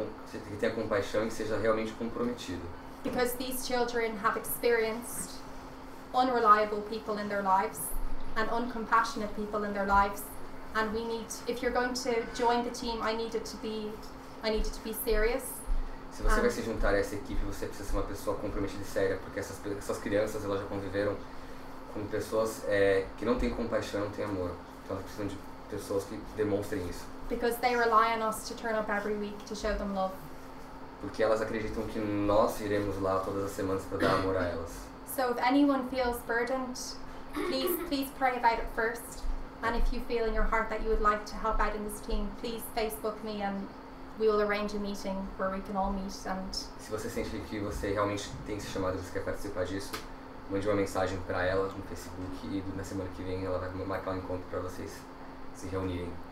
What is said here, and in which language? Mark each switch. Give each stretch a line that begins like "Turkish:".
Portuguese: Que tenha compaixão e que seja realmente comprometido.
English: Because these children have experienced unreliable people in their lives and uncompassionate people in their lives, and we need. If you're going to join the team, I need it to be serious.
Portuguese: Se você vai se juntar a essa equipe, você precisa ser uma pessoa comprometida e séria, porque essas crianças elas já conviveram com pessoas que não têm compaixão, não têm amor. Então elas precisam de pessoas que demonstrem isso.
English: Because they rely on us to turn up every week to show them love.
Portuguese: Porque elas acreditam que nós iremos lá todas as semanas para dar amor a elas.
English: So if anyone feels burdened, please pray about it first. And if you feel in your heart that you would like to help out in this team, please Facebook me and we will arrange a meeting where we can all meet. And
Portuguese: se você sente que você realmente tem esse chamado e você quer participar disso, mande uma mensagem para ela no Facebook e na semana que vem ela vai marcar um encontro para vocês se reunirem.